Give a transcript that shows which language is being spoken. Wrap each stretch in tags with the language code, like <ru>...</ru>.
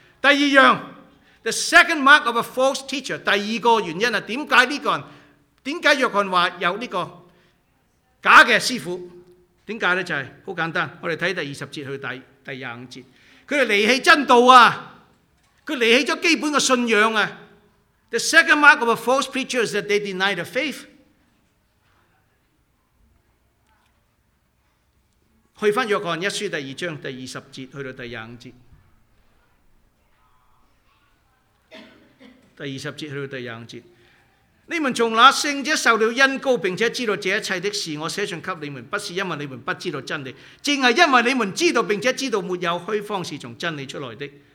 <zh>第二样</zh> <en>The second mark of a false teacher，</en> <zh>第二个原因是为什么这个人，为什么约翰说有这个假的师傅？为什么呢？就是很简单，我们看第二十节去第二十五节，他们离弃真道啊，他离弃了基本的信仰啊。</zh> <en>The second mark of a false preacher is that they deny the faith.</en> <zh>去翻约翰一书第二章第二十节去到第廿五节，第二十节去到第廿五节，你们从那圣者受了恩膏，并且知道这一切的事，我写信给你们，不是因为你们不知道真理，正系因为你们知道，并且知道没有虚谎是从真理出来的。</zh>